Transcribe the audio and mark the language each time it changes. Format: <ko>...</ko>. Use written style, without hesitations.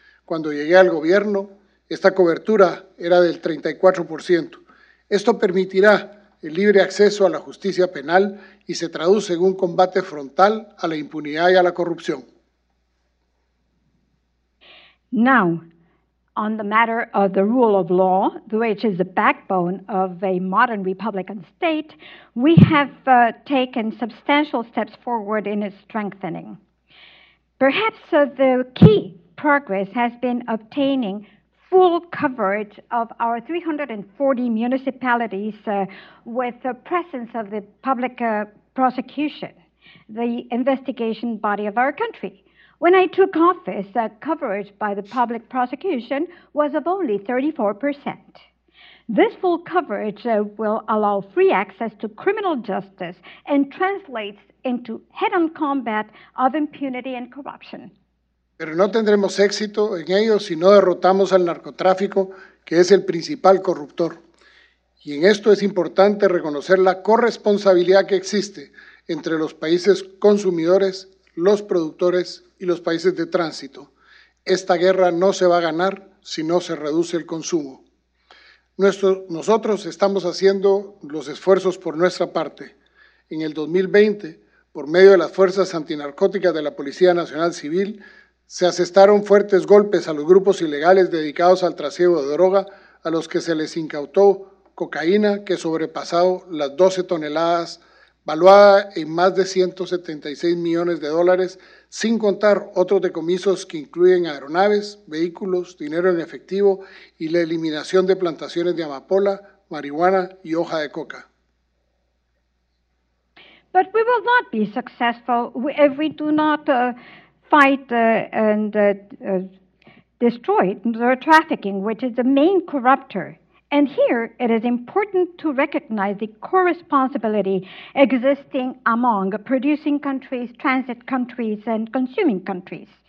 <es>Cuando llegué al gobierno, esta cobertura era del 34%. Esto permitirá el libre acceso a la justicia penal y se traduce en un combate frontal a la impunidad y a la corrupción.</es> <en>Now, on the matter of the rule of law, which is the backbone of a modern republican state, we have taken substantial steps forward in its strengthening. Perhaps the key progress has been obtaining full coverage of our 340 municipalities with the presence of the public prosecution, the investigation body of our country. When I took office, coverage by the public prosecution was of only 34%. This full coverage will allow free access to criminal justice and translates into head-on combat of impunity and corruption.</en> <es>Pero no tendremos éxito en ello si no derrotamos al narcotráfico, que es el principal corruptor. Y en esto es importante reconocer la corresponsabilidad que existe entre los países consumidores, los productores y los países de tránsito. Esta guerra no se va a ganar si no se reduce el consumo. Nosotros estamos haciendo los esfuerzos por nuestra parte. En el 2020, por medio de las fuerzas antinarcóticas de la Policía Nacional Civil, se asestaron fuertes golpes a los grupos ilegales dedicados al trasiego de droga, a los que se les incautó cocaína que sobrepasó las 12 toneladas, valuada en más de 176 millones de dólares, sin contar otros decomisos que incluyen aeronaves, vehículos, dinero en efectivo y la eliminación de plantaciones de amapola, marihuana y hoja de coca.</es> <en>But we will not be successful if we do not fight and destroy the trafficking, which is the main corruptor. And here, it is important to recognize the co-responsibility existing among producing countries, transit countries, and consuming countries.</en>